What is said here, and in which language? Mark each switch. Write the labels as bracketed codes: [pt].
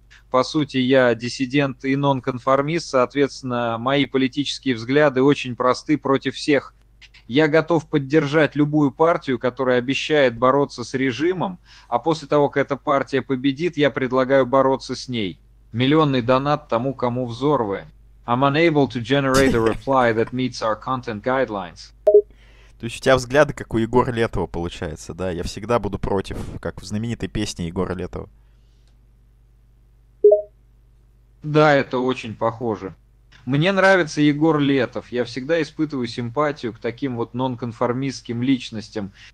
[ru] По сути, я диссидент и нонконформист, соответственно, мои политические взгляды очень просты против всех. Я готов поддержать любую партию, которая обещает бороться с режимом, а после того, как эта партия победит, я предлагаю бороться с ней. Миллионный донат тому, кому взорвы. [en] I'm unable to generate a reply that meets our content guidelines. [ru] То есть у тебя взгляды, как у Егора Летова, получается, да? Я всегда буду против, как в знаменитой песне Егора Летова. Да, это очень похоже. Мне нравится Егор Летов. Я всегда испытываю симпатию к таким вот нонконформистским личностям.